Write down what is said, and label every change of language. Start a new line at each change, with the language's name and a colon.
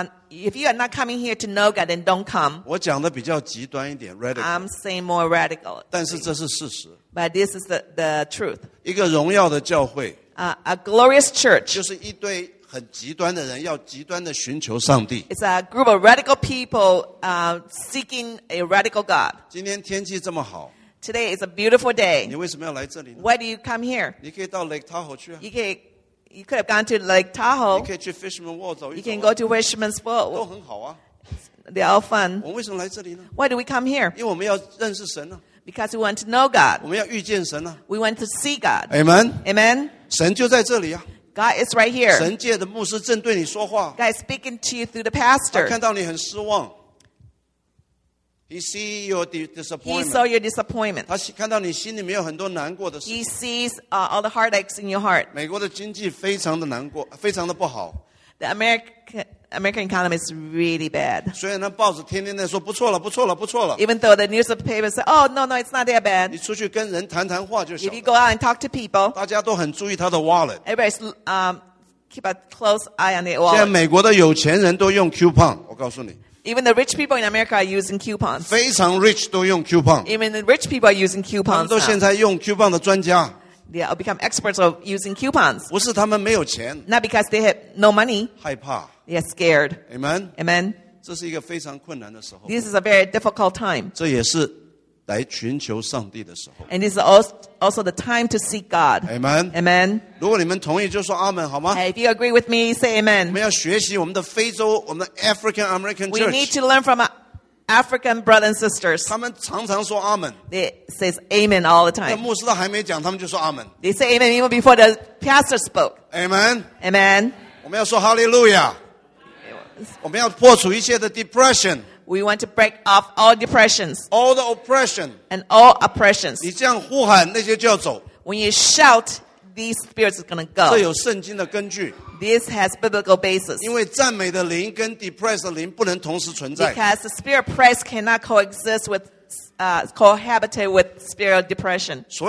English: if you are not coming here to know God, then don't come.
Chinese: 我讲的比较极端一点, radical.
English: I'm saying more radical.
Chinese: 但是这是事实。
English: But this is the truth.
Chinese: 一个荣耀的教会,
English: a glorious church.
Chinese: 就是一堆 很极端的人要极端的寻求上帝。
English: It's a group of radical people seeking a radical God.
Chinese: 今天天气这么好。
English: Today is a beautiful day.
Chinese: 你为什么要来这里呢?
English: Why do you come here?
Chinese: 你可以到Lake Tahoe去啊。
English: You could have gone to Lake Tahoe.
Chinese: 你可以去Fisherman Wall走一走啊。
English: You can go to Fisherman's Wall.
Chinese: 都很好啊。
English: They're all fun.
Chinese: 我们为什么来这里呢?
English: Why do we come here?
Chinese: 因为我们要认识神啊。
English: Because we want to know God.
Chinese: 我们要遇见神啊。
English: We want to see God. Amen. Amen.
Chinese: 神就在这里啊。
English: God is right here.
Chinese: 神界的牧师正对你说话。
English: God is speaking to you through the pastor.
Chinese: 他看到你很失望。
English: He sees your disappointment. He saw your disappointment.
Chinese: 他看到你心里面有很多难过的事。
English: He sees all the heartaches in your heart.
Chinese: 美国的经济非常的难过, 非常的不好。
English: The American economy is really bad.
Chinese: 虽然那报纸天天在说不错了，不错了，不错了。
English: Even though the newspapers say, oh, no, no, it's not that bad.
Chinese: 你出去跟人谈谈话就行了。
English: If you go out and talk to people,
Chinese: 大家都很注意他的wallet.
English: Everybody's keep a close eye on their wallet.
Chinese: 现在美国的有钱人都用coupon, 我告诉你。
English: Even the rich people in America are using coupons.
Chinese: 非常rich都用coupon.
English: Even the rich people are using coupons.
Chinese: 他们都现在用coupon的专家。
English: They'll become experts of using coupons.
Chinese: 不是他们没有钱,
English: not because they have no money.
Chinese: 害怕,
English: they are scared. Amen. Amen.
Chinese: 这是一个非常困难的时候,
English: this is a very difficult time.
Chinese: 这也是来寻求上帝的时候,
English: and this is also the time to seek God. Amen. Amen.
Chinese: 如果你们同意就说阿们,
English: if you agree with me, say amen.
Chinese: 我们要学习我们的非洲, 我们的
English: African American church. We need to learn from African brothers and sisters.
Chinese: 他们常常说 Amen.
English: They say Amen all the time.
Chinese: 牧师都还没讲, 他们就说 Amen.
English: They say Amen even before the pastor spoke. Amen. Amen.
Chinese: 我们要说 Hallelujah. 我们要破除一切的 depression.
English: We want to break off all depressions. All the oppression. And all oppressions.
Chinese: 你这样呼喊, 那些就要走。
English: When you shout, these spirits are going to go.
Chinese: 这有圣经的根据。
English: This has biblical basis.
Chinese: 因为赞美的灵跟 depressed的灵不能同时存在。
English: Because the spirit of praise cannot coexist with, cohabitate with spirit of depression.